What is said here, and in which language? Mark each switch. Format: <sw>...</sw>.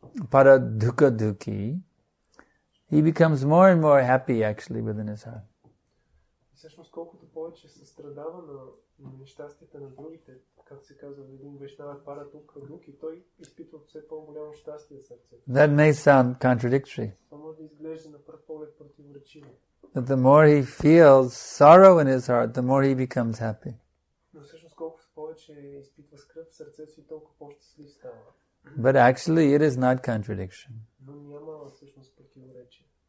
<en>Para dukkha dukkhi. He becomes more and more happy, actually, within his heart.</en> <bg>Всъщност, колкото повече се страдава на нещастията на другите, както се казва, един вещнава пара тук в друг и той изпитва все по-голямо щастие в сърцето.</bg> <en>That may sound contradictory.</en> <bg>Това може да изглежда на пръв поглед противоречиво.</bg> <en>But the more he feels sorrow in his heart, the more he becomes happy.</en> <bg>Но всъщност, колкото повече изпитва скръп в сърцето си, толкова по-щастлив става.</bg> <en>But actually, it is not contradiction.</en> <bg>Но няма всъщност противоречие.</bg>